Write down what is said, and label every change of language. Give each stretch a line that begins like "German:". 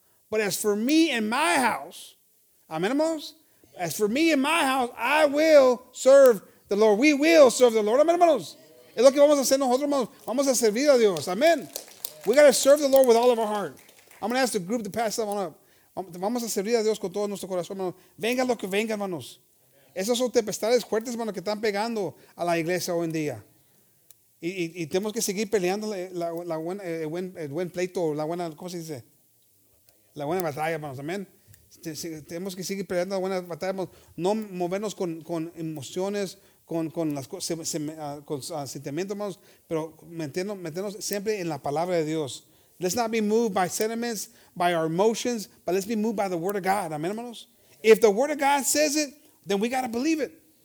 English: But as for me and my house, amen, hermanos? As for me and my house, I will serve the Lord. We will serve the Lord. Amen, hermanos?
Spanish: Es lo que vamos a hacer nosotros, hermanos. Vamos a servir a Dios.
English: Amen. We got to serve the Lord with all of our heart. I'm going to ask the group to pass that one up.
Spanish: Vamos a servir a Dios con todo nuestro corazón, hermano. Venga lo que venga, hermanos. Esas son tempestades fuertes, hermano, que están pegando a la iglesia hoy en día. Y tenemos que seguir peleando el buen pleito, la buena, ¿cómo se dice? La buena batalla, hermanos. Amén. Tenemos que seguir peleando la buena batalla, hermanos. No movernos con emociones, con sentimientos, hermanos, pero meternos siempre en la palabra de Dios.
English: Let's not be moved by sentiments, by our emotions, but let's be moved by the word of God. Amen, hermanos. If the word of God says it, then we got to believe it.